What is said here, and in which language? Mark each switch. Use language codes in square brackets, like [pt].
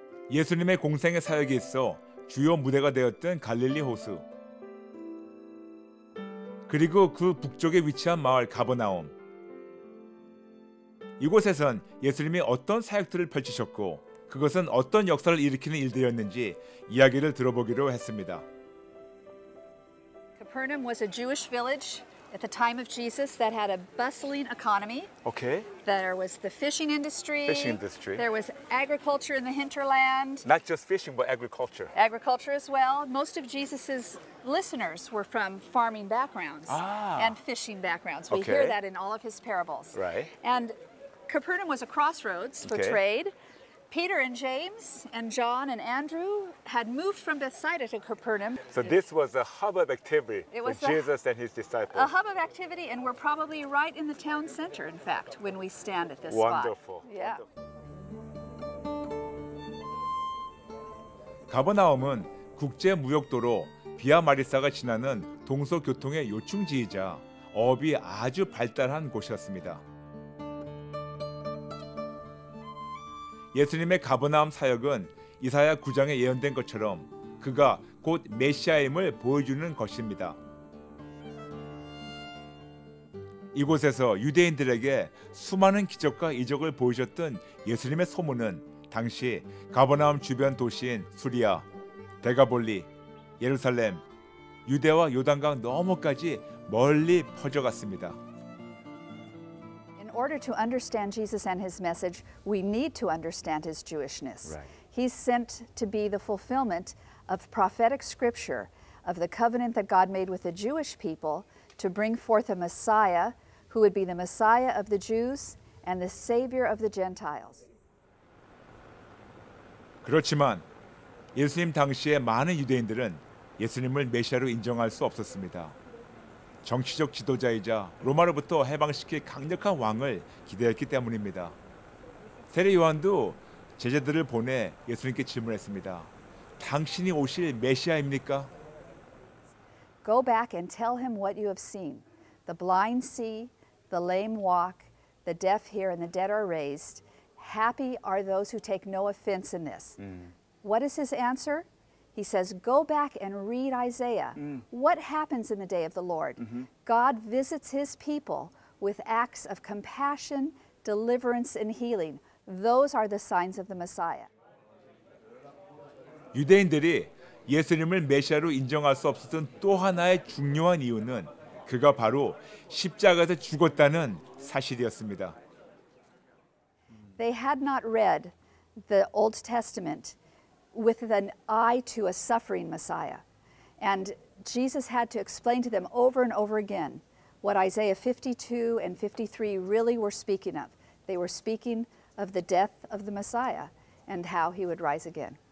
[ko] 예수님의 공생애 사역에 있어 주요 무대가 되었던 갈릴리 호수 그리고 그 북쪽에 위치한 마을 가버나움 이곳에선 예수님이 어떤 사역들을 펼치셨고 그것은 어떤 역사를 일으키는 일들이었는지 이야기를 들어보기로 했습니다. [en] Capernaum was a Jewish village at the time of Jesus that had a bustling economy. Okay. There was the fishing industry. Fishing industry. There was agriculture in the hinterland. Not just fishing but agriculture. Agriculture as well. Most of Jesus's listeners were from farming backgrounds and fishing backgrounds. We hear that in all of his parables. Right. And Capernaum was a crossroads for trade. Peter and James and John and Andrew had moved from Bethsaida to Capernaum. So this was a hub of activity for Jesus and his disciples. A hub of activity, and we're probably right in the town center, in fact, when we stand at this spot. Wonderful. Yeah. [ko] 가버나움은 국제 무역도로 비아 마리사가 지나는 동서 교통의 요충지이자 어업이 아주 발달한 곳이었습니다. 예수님의 가버나움 사역은 이사야 9장에 예언된 것처럼 그가 곧 메시아임을 보여주는 것입니다. 이곳에서 유대인들에게 수많은 기적과 이적을 보여줬던 예수님의 소문은 당시 가버나움 주변 도시인 수리아, 데가볼리, 예루살렘, 유대와 요단강 너머까지 멀리 퍼져갔습니다. [en] In order to understand Jesus and his message, we need to understand his Jewishness. Right. He's sent to be the fulfillment of prophetic scripture, of the covenant that God made with the Jewish people to bring forth a Messiah who would be the Messiah of the Jews and the Savior of the Gentiles. [ko] 그렇지만 예수님 당시에 많은 유대인들은 예수님을 메시아로 인정할 수 없었습니다. 정치적 지도자이자 로마로부터 해방시킬 강력한 왕을 기대했기 때문입니다. 세례 요한도 제자들을 보내 예수님께 질문했습니다. 당신이 오실 메시아입니까? [en] Go back and tell him what you have seen. The blind see, the lame walk, the deaf hear, and the dead are raised. Happy are those who take no offense in this. What is his answer? He says, go back and read Isaiah. What happens in the day of the Lord? God visits his people with acts of compassion, deliverance, and healing. Those are the signs of the Messiah. [ko] 유대인들이 예수님을 메시아로 인정할 수 없었던 또 하나의 중요한 이유는 그가 바로 십자가에서 죽었다는 사실이었습니다. [en] They had not read the Old Testament with an eye to a suffering Messiah. And Jesus had to explain to them over and over again what Isaiah 52 and 53 really were speaking of. They were speaking of the death of the Messiah and how he would rise again.